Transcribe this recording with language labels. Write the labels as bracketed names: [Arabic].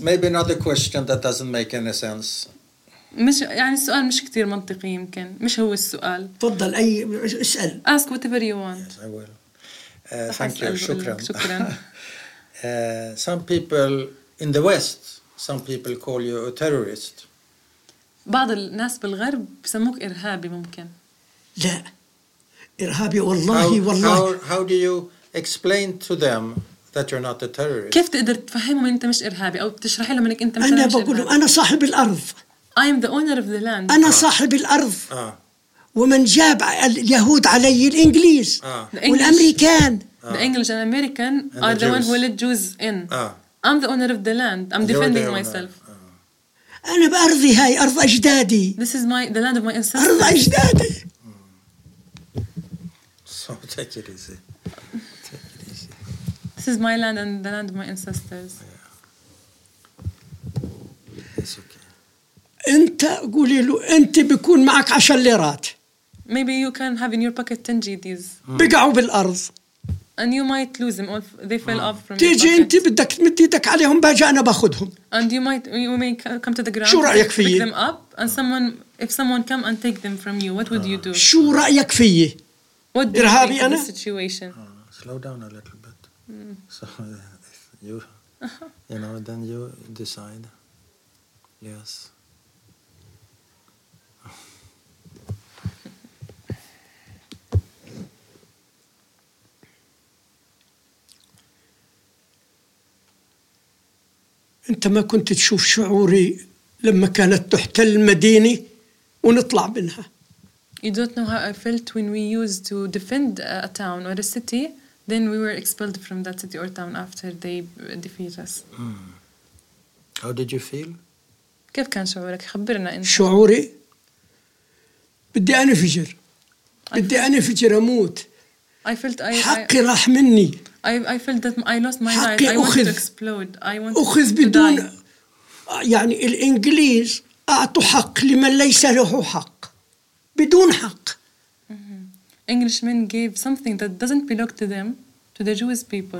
[English] Maybe another question that doesn't make any sense. [Arabic] مش يعني السؤال مش كتير منطقي يمكن مش هو السؤال. تفضل أي اسأل. [English] Ask whatever you want. Yes, I will. Thank you. [Arabic] شكراً. شكراً. [English] Some people in the West, some people call you a terrorist. [Arabic] بعض الناس بالغرب بسموك إرهابي ممكن. لا إرهابي والله والله. [English] How do you explain to them that you're not a terrorist? [Arabic] كيف تقدر تفهمهم أنت مش إرهابي أو تشرح لهم أنك أنت مش إرهابي؟ أنا بقولهم أنا صاحب الأرض. [English] I am the owner of the land. [Arabic] أنا صاحب الأرض. ومن جاب اليهود علي الإنجليز والأمريكان. [English] The English and American are the one who let Jews in. I'm the owner of the land. I'm defending myself. [Arabic] أنا بأرضي هاي أرض أجدادي. [English] This is the land of my ancestors. [Arabic] أرض أجدادي. [English] So take it easy. Take it easy. This is my land and the land of my ancestors. Yeah. It's okay. [Arabic] أنت قولي له أنت بيكون معك 10 ليرات. [English] Maybe you can have in your pocket 10 GDs. [Arabic] بقعوا بالأرض. [English] And you might lose them. They fell off from. [Arabic] تيجي أنت بدك مديتك عليهم باجي أنا بأخذهم. [English] And you may come to the ground. [Arabic] شو رأيك فيي؟ [English] Pick them up. And if someone come and take them from you, what would you do? [Arabic] شو رأيك فيي؟ [English] What do you think of the situation? Slow down a little bit. So if you know, then you decide. Yes. [Arabic] أنت ما كنت تشوف شعوري لما كانت تحتل المدينة ونطلع منها. [English] You don't know how I felt when we used to defend a town or a city, then we were expelled from that city or town after they defeat us. How did you feel? [Arabic] كيف كان شعورك؟ خبرنا أنت. شعوري بدي أنفجر. بدي أنفجر أموت. [English] I felt I [Arabic] حقي راح مني. [English] I felt that I lost my life. I wanted to explode. I wanted [Arabic] أخذ [English] to [Arabic] بدون [English] die. [Arabic] يعني الإنجليز أعطوا حق لمن ليس له حق بدون حق. Mm-hmm. [English] Englishmen gave something that doesn't belong to them to the Jewish people.